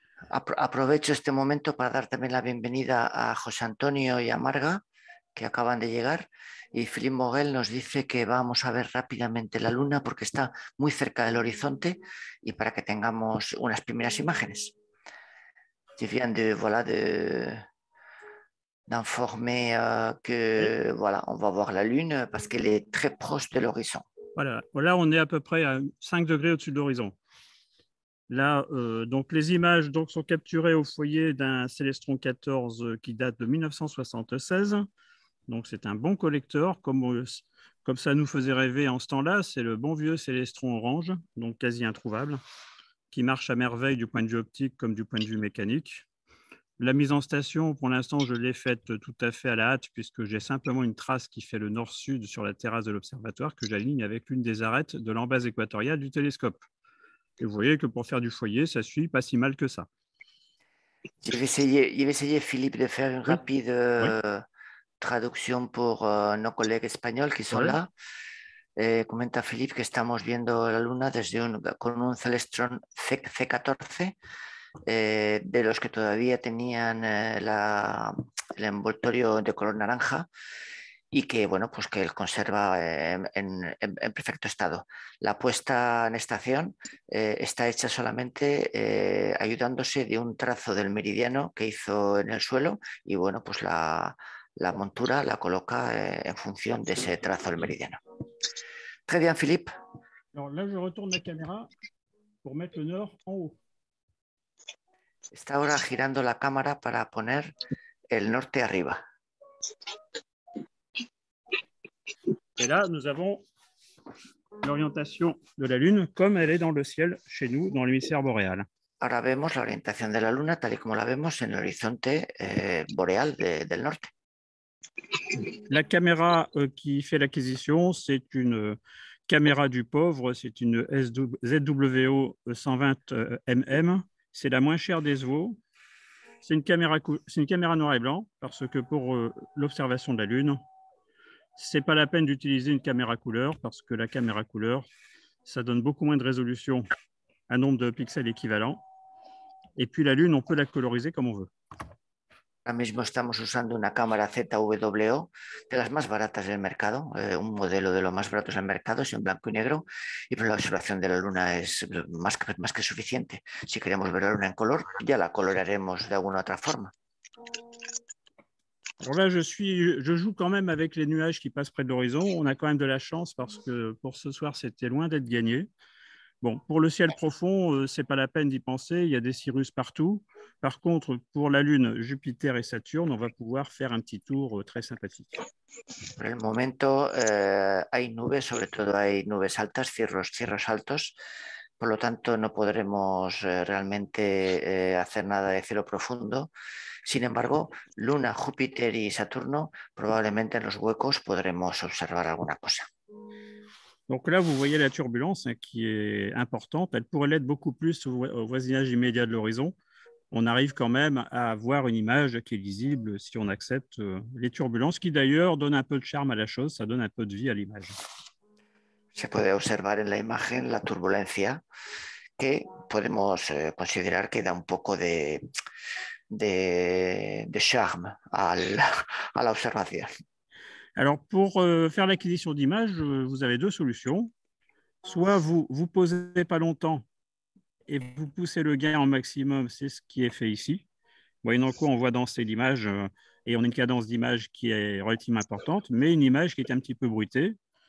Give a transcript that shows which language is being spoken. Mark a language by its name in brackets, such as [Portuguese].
[Spanish] Aprovecho este momento para dar también la bienvenida a José Antonio y a Marga, que acaban de llegar. Y Philippe Moguel nos dice que vamos a ver rápidamente la luna porque está muy cerca del horizonte y para que tengamos unas primeras imágenes. [French] Je viens de, voilà, de... d'informer que voilà, on va voir la lune parce qu'elle est très proche de l'horizon. Voilà, là on est à peu près à 5 degrés au-dessus de l'horizon. Là, donc les images donc, sont capturées au foyer d'un Celestron 14 qui date de 1976. Donc c'est un bon collecteur, comme ça nous faisait rêver en ce temps-là. C'est le bon vieux Celestron orange, donc quasi introuvable, qui marche à merveille du point de vue optique comme du point de vue mécanique. La mise en station, pour l'instant, je l'ai faite tout à fait à la hâte, puisque j'ai simplement une trace qui fait le nord-sud sur la terrasse de l'observatoire que j'aligne avec l'une des arêtes de l'embase équatoriale du télescope. Et vous voyez que pour faire du foyer, ça suit pas si mal que ça. Je vais essayer, Philippe, de faire une rapide traduction pour nos collègues espagnols qui sont là. [Spanish] Comenta Philippe que estamos viendo la luna desde con un Celestron C14. De los que todavía tenían el envoltorio de color naranja y que, bueno, pues que él conserva en perfecto estado. La puesta en estación está hecha solamente ayudándose de un trazo del meridiano que hizo en el suelo y, bueno, pues la montura la coloca en función de ese trazo del meridiano. [French] Très bien, Philippe. Alors là, je retourne la caméra pour mettre le nord en haut. [Spanish] Está ahora girando la cámara para poner el norte arriba. [French] Et là, nous avons l'orientation de la Lune comme elle est dans le ciel chez nous, dans l'hémisphère boréal. [Spanish] Ahora vemos la orientación de la Luna tal y como la vemos en el horizonte boreal del norte. [French] La caméra qui fait l'acquisition, c'est une caméra du pauvre, c'est une ZWO 120mm. C'est la moins chère des SVO. C'est une caméra noir et blanc parce que pour l'observation de la Lune, c'est pas la peine d'utiliser une caméra couleur parce que la caméra couleur, ça donne beaucoup moins de résolution, un nombre de pixels équivalent. Et puis la Lune, on peut la coloriser comme on veut. [Spanish] Ahora mismo estamos usando una cámara ZWO de las más baratas del mercado, un modelo de lo más baratos del mercado, es en blanco y negro, y para la observación de la luna es más que suficiente. Si queremos ver la luna en color, ya la coloraremos de alguna otra forma. [French] Alors là, je joue quand même avec les nuages qui passent près de l'horizon. On a quand même de la chance parce que pour ce soir, c'était loin d'être gagné. Bon, pour le ciel profond, c'est pas la peine d'y penser, il y a des cirrus partout. Par contre, pour la Lune, Jupiter et Saturne, on va pouvoir faire un petit tour très sympathique. Pour le moment, [Spanish] hay nubes, sobre todo hay nubes altas, cirros altos. Por lo tanto, no podremos realmente hacer nada de cielo profundo. Sin embargo, Luna, Júpiter y Saturno, probablemente en los huecos podremos observar alguna cosa. [French] Donc là, vous voyez la turbulence qui est importante. Elle pourrait l'être beaucoup plus au voisinage immédiat de l'horizon. On arrive quand même à avoir une image qui est lisible si on accepte les turbulences, qui d'ailleurs donnent un peu de charme à la chose, ça donne un peu de vie à l'image. [Spanish] Se puede observar en la imagen la turbulencia, que podemos considerar que da un poco de [French] charme à l'observation. Alors, pour faire l'acquisition d'images, vous avez deux solutions. Soit vous vous posez pas longtemps et vous poussez le gain en maximum, c'est ce qui est fait ici. Moyennant quoi, on voit danser l'image et on a une cadence d'image qui est relativement importante, mais une image qui est un petit peu bruitée.